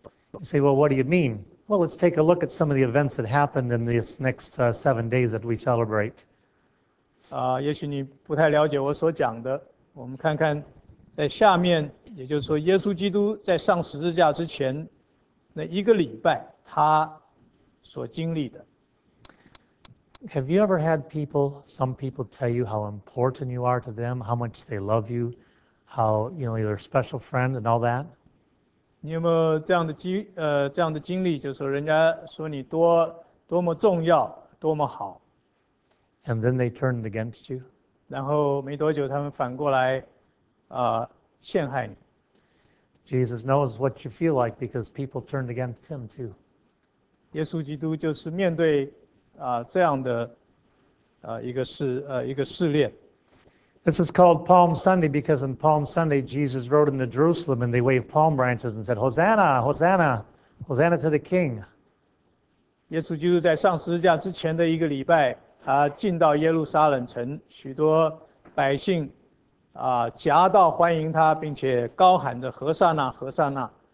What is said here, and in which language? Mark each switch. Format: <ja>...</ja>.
<en>You say, well, what do you mean? Well, let's take a look at some of the events that happened in this next 7 days that we celebrate.</en> <zh>也许你不太了解我所讲的，我们看看在下面，也就是说，耶稣基督在上十字架之前那一个礼拜，他所经历的。</zh> <en>Have you ever had some people tell you how important you are to them, how much they love you, how you know you're a special friend and all that?</en> <zh>你有没有这样的经历？就是说，人家说你多么重要，多么好。</zh> <en>And then they turned against you.</en> <zh>然后没多久，他们反过来。陷害你。</zh> <en>Jesus knows what you feel like because people turned against him too.</en> <zh>耶稣基督就是面对这样的一个试炼。</zh> <en>This is called Palm Sunday because on Palm Sunday Jesus rode into Jerusalem and they waved palm branches and said, Hosanna, Hosanna, Hosanna to the King.</en> <zh>耶稣基督在上十字架之前的一个礼拜，他进到耶路撒冷城，许多百姓夹道欢迎他，并且高喊着何塞纳何塞纳</zh>